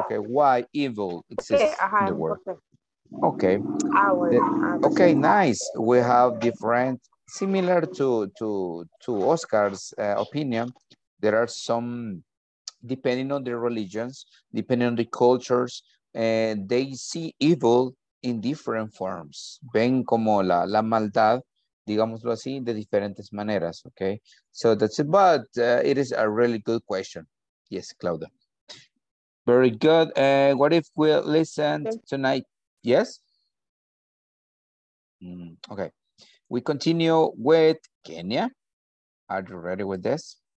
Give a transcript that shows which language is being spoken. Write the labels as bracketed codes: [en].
[en] Okay, why evil exists in the world. Okay. Okay, nice. We have different, similar to Oscar's opinion. There are some, depending on the religions, depending on the cultures, and they see evil in different forms. [es] Ven como la maldad, digámoslo así, de diferentes maneras, okay? [en] So that's it, but it is a really good question. Yes, Claudia. Very good. What if we listen tonight? Yes? Okay. We continue with Kenya. Are you ready with this?